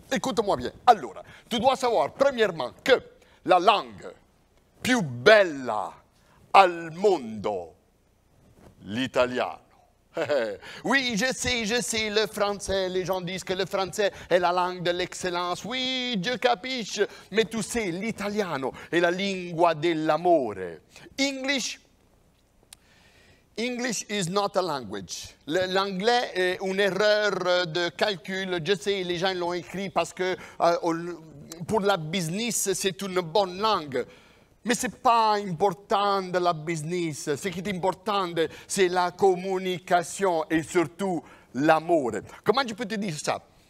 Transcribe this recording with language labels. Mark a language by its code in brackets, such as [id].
[fr] Écoute-moi bien. Alors, tu dois savoir, premièrement, que la langue [it] più bella al mondo, l'italiano. [fr] Oui, je sais, le français, les gens disent que le français est la langue de l'excellence. Oui, je [it] capisce, [fr] mais tu sais, l'italiano est [it] la lingua dell'amore. [en] English, English is not a language. [fr] L'anglais est une erreur de calcul. Je sais, les gens l'ont écrit parce que pour la business, c'est une bonne langue. Mais ce n'est pas important de la business. Ce qui est important, c'est la communication et surtout l'amour. Comment je peux te dire ça?